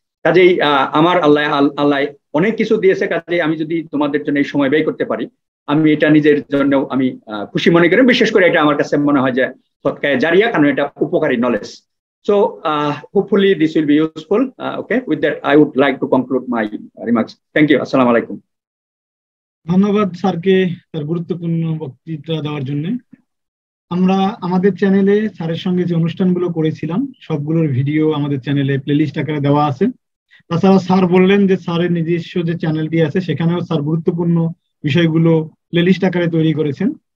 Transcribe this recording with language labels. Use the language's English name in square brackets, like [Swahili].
[Bangla] কাজেই আমার আল্লাহ অনেক কিছু দিয়েছে, কাজে আমি যদি তোমাদের জন্য এই সময় ব্যয় করতে পারি আমি এটা নিজের জন্য আমি খুশি মনে করি। বিশেষ করে এটা আমার কাছে মনে হয় যে সৎকায় জারিয়া, কারণ এটা উপকারী knowledge. [English] So hopefully this will be useful. Okay, with that I would like to conclude my remarks. Thank you. Assalamu alaikum. [Bangla] ধন্যবাদ স্যারকে তার গুরুত্বপূর্ণ বক্তৃতা দেওয়ার জন্য। আমরা আমাদের চ্যানেলে স্যারের সঙ্গে যে অনুষ্ঠানগুলো করেছিলাম সবগুলোর ভিডিও আমাদের চ্যানেলে প্লেলিস্ট আকারে দেওয়া আছে। তাছাড়া স্যার বললেন যে স্যারের নিজস্ব যে চ্যানেলটি আছে সেখানেও স্যার গুরুত্বপূর্ণ বিষয়গুলো প্লেলিস্ট আকারে তৈরি করেছেন।